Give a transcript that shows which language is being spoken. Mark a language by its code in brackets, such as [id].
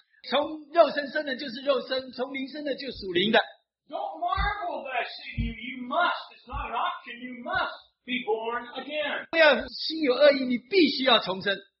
[zh] 从肉身生的就是肉身，从灵生的就是属灵的。 [en] Don't marvel that I say to you, you must. It's not an option. You must. Be born again. [zh] 不要心有恶意，你必须要重生。